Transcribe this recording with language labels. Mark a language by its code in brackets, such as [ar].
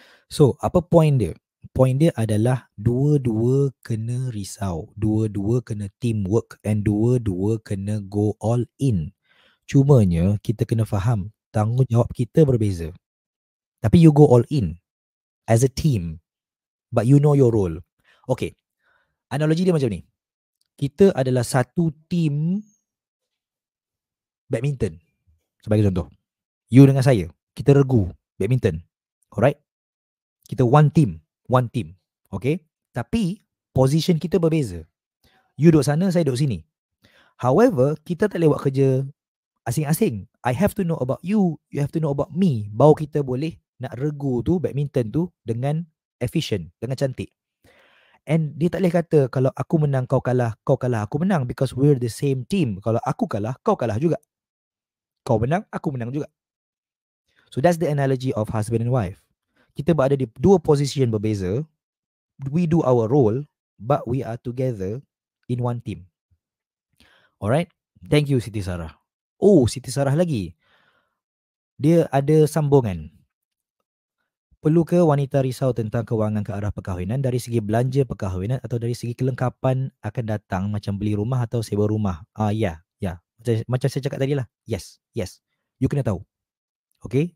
[ms] So, apa point dia? Point dia adalah dua-dua kena risau, dua-dua kena teamwork and dua-dua kena [en] go all in. [ms] Cumanya kita kena faham tanggungjawab kita berbeza. [en] Tapi you go all in as a team, but you know your role. [ms] Okay, analogi dia macam ni. Kita adalah satu team badminton. Sebagai contoh, you dengan saya, kita regu badminton. Alright, kita [en] one team. [ms] Okay? Tapi, position kita berbeza. You duduk sana, saya duduk sini. However, kita tak boleh buat kerja asing-asing. [en] I have to know about you, you have to know about me. [ms] Baru kita boleh nak regu tu, badminton tu, dengan efficient, dengan cantik. And dia tak boleh kata, kalau aku menang, kau kalah, aku menang. [en] Because we're the same team. [ms] Kalau aku kalah, kau kalah juga. Kau menang, aku menang juga. [en] So that's the analogy of husband and wife. [ms] Kita berada di dua posisi yang berbeza. [en] We do our role, but we are together in one team. Alright? Thank you, Siti Sarah. Oh, Siti Sarah lagi. [ms] Dia ada sambungan. Perlu ke wanita risau tentang kewangan ke arah perkahwinan dari segi belanja perkahwinan atau dari segi kelengkapan akan datang macam beli rumah atau sewa rumah? Ya. Macam saya cakap tadi lah. Yes. You kena tahu. Okay?